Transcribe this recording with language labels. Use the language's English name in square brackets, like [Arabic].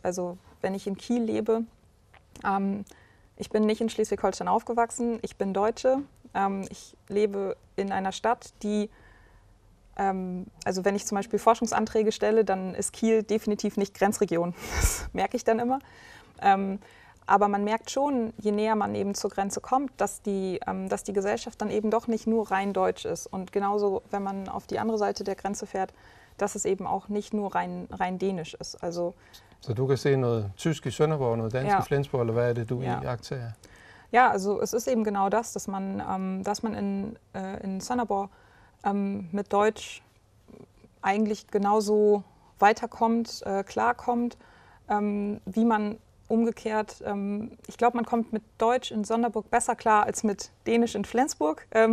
[German] Also, wenn ich in Kiel lebe, ich bin nicht in Schleswig-Holstein aufgewachsen, ich bin Deutsche, ich lebe in einer Stadt, die, also wenn ich zum Beispiel Forschungsanträge stelle, dann ist Kiel definitiv nicht Grenzregion, das merke ich dann immer. Aber man merkt schon, je näher man eben zur Grenze kommt, dass die Gesellschaft dann eben doch nicht nur rein deutsch ist. Und genauso, wenn man auf die andere Seite der Grenze fährt, dass es eben auch nicht nur rein dänisch ist. Also, so, du kannst sehen, [Danish] noget tysk i Sønderborg, noget dansk i Flensborg, eller hvad er det, du iagttager? [German] Ja, also es ist eben genau das, dass man in Sønderborg mit Deutsch eigentlich genauso weiterkommt, klarkommt, wie man umgekehrt. Ich glaube, man kommt mit Deutsch in Sonderburg besser klar als mit Dänisch in Flensburg.